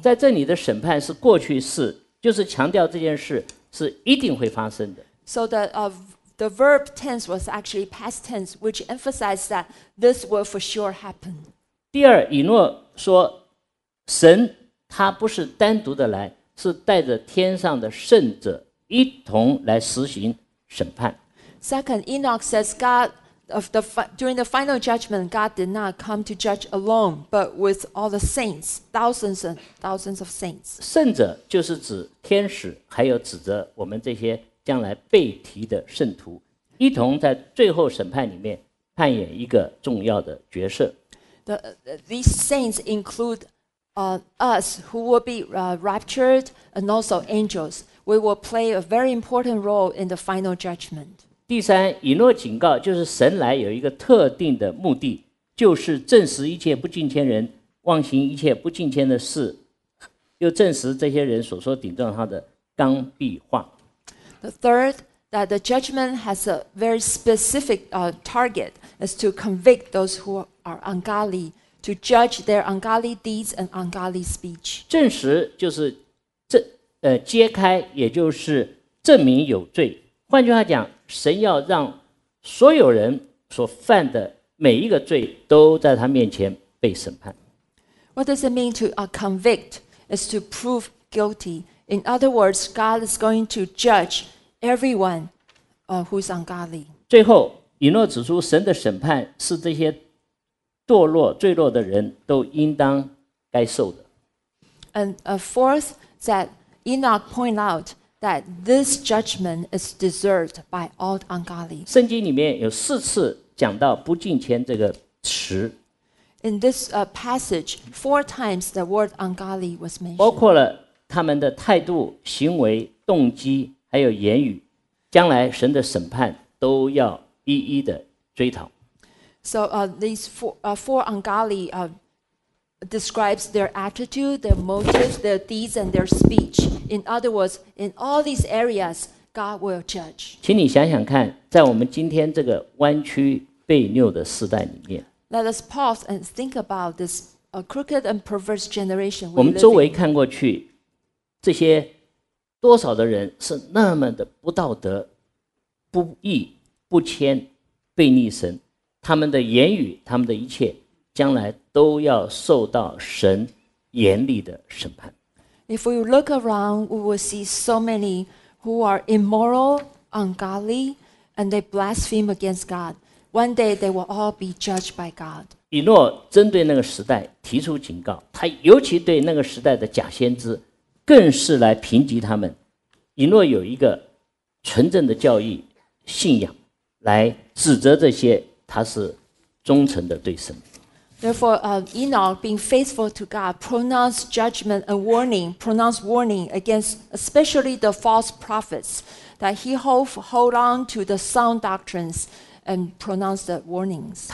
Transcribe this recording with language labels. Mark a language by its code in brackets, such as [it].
[zh] 在这里的审判是过去式，就是强调这件事是一定会发生的。 [en] So the verb tense was actually past tense, which emphasized that this will for sure happen. [zh] 第二，以诺说，神他不是单独的来。是带着天上的圣者一同来实行审判。 [en] Second, Enoch says God of the during the final judgment, God did not come to judge alone, but with all the saints, thousands and thousands of saints. [zh] 圣者就是指天使，还有指着我们这些将来被提的圣徒，一同在最后审判里面扮演一个重要的角色。 [en] These saints include. Us who will be raptured and also angels, we will play a very important role in the final judgment. [zh] 第三，以诺警告就是神来有一个特定的目的，就是证实一切不敬虔人妄行一切不敬虔的事，又证实这些人所说顶撞他的刚愎话。 [en] The third, that the judgment has a very specific target is to convict those who are ungodly. To judge their ungodly deeds and ungodly speech. [zh] 证实就是揭开，也就是证明有罪。换句话讲，神要让所有人所犯的每一个罪都在他面前被审判。 [en] What does it mean to convict? Is to prove guilty. In other words, God is going to judge everyone who's ungodly. [zh] 最后，以诺指出，神的审判是这些。堕落坠落的人都应当该受的。 [en] And a fourth that Enoch point out that this judgment is deserved by all ungodly. [zh] 圣经里面有四次讲到不敬虔这个词。 [en] In this passage, four times the word ungodly was mentioned. [zh] 包括了他们的态度、行为、动机，还有言语，将来神的审判都要一一的追讨。 [en] So these four ungodly describes their attitude, their motives, their deeds, and their speech. In other words, in all these areas, God will judge. [zh] 请你想想看，在我们今天这个弯曲悖谬的时代里面， [en] Let us pause and think about this crooked and perverse generation. [zh] 我们周围看过去，这些多少的人是那么的不道德、不义、不谦、悖逆神，他们的言语、他们的一切，将来都要受到神严厉的审判。 [en] If we look around, we will see so many who are immoral, ungodly, and they blaspheme against God. One day they will all be judged by God. [zh] 以诺针对那个时代提出警告，他尤其对那个时代的假先知，更是来评级他们。以诺有一个纯正的教义信仰，来指责这些他是忠诚的对神。 [en] Therefore, Enoch, being faithful to God, pronounced judgment and warning, pronounced warning against especially the false prophets, that he hold on to the sound doctrines and pronounced the warnings.